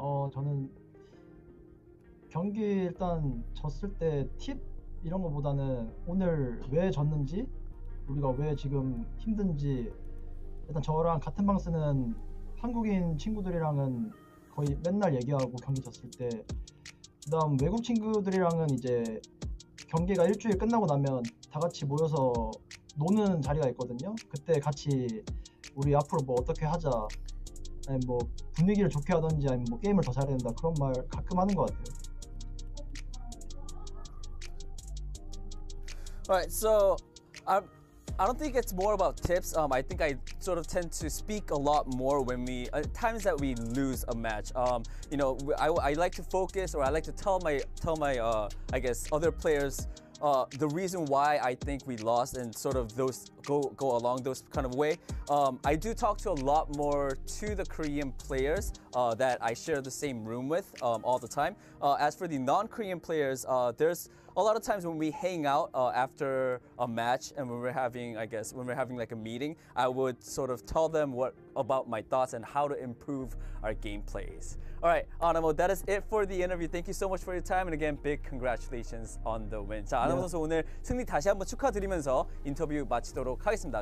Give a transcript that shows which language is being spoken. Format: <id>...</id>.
<ko>저는 경기 일단 졌을 때 팁 이런 것보다는 오늘 왜 졌는지 우리가 왜 지금 힘든지 일단 저랑 같은 방 쓰는 한국인 친구들이랑은 거의 맨날 얘기하고 경기 졌을 때 그다음 외국 친구들이랑은 이제 경기가 일주일 끝나고 나면 다 같이 모여서 노는 자리가 있거든요. 그때 같이 우리 앞으로 뭐 어떻게 하자 아니면 뭐 분위기를 좋게 하든지 아니면 뭐 게임을 더 잘해야 된다 그런 말 가끔 하는 것 같아요.</ko> <en>Alright, so I don't think it's more about tips. I think I sort of tend to speak a lot more when we, at times that we lose a match. You know, I like to focus or I like to tell my other players the reason why I think we lost and sort of those go along those kind of way. I do talk to a lot more to the Korean players that I share the same room with all the time. As for the non-Korean players, there's a lot of times when we hang out after a match and when we're having like a meeting, I would sort of tell them what about my thoughts and how to improve our gameplays. All right, Animo, that is it for the interview. Thank you so much for your time. And again, big congratulations on the win.</en> <ko>자, 아나모 선수 오늘 승리 다시 한번 축하드리면서 인터뷰 마치도록 하겠습니다.</ko>